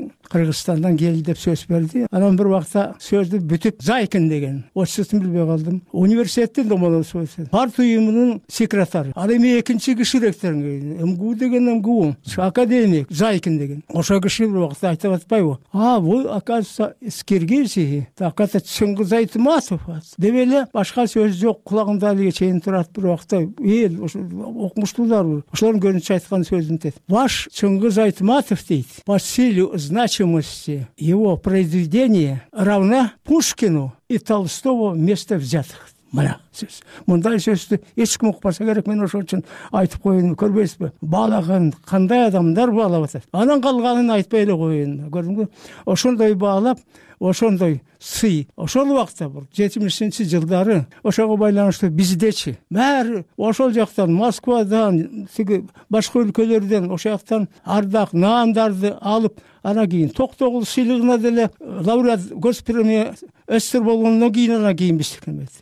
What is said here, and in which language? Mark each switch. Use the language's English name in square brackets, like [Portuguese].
[Kyrgyz] Кыргызстандан келди деп сөз берди. Анан бир убакта сөздү бүтүп Зайкин деген отчусун билбей калдым. Университеттин Ломоносовдун парт уюмунун секретари. Ал эми экинчи киши ректор МГУ деген МГУ академик Зайкин деген. Ошол киши бир убакта айтып атпайбы? А, бул [Russian] оказывается из Киргизии. Так это Чыңгыз Айтматов. [Kyrgyz] Деп эле башка сөз жок, кулагымда алиге чейин турат. Бир убакта эл окумуштуулар ошолордун көзүнчө айткан сөзүн дейт. [Russian] Ваш Чыңгыз Айтматов [Kyrgyz] дейт. [Russian] Василий значимости его произведения равна Пушкину и Толстого вместо взятых. [Kyrgyz] Мына сөз. Мындай сөздү эч ким укпаса керек, мен ошол үчүн айтып коеюн, көрбөйсүзбү? Баалаган кандай адамдар баалап атат. Анан калганын айтпай эле коеюн. Көрдүңбү? Ошондой баалап, ошондой сый. Ошол убакта бул 70-нчи жылдары ошого байланыштуу биздечи баары ошол жактан, Москвадан, тиги башка өлкөлөрдөн ошол жактан ардак наандарды алып, анан кийин Токтогул сыйлыгына деле лауреат госпремия СССР болгондон кийин анан кийин биздикимет.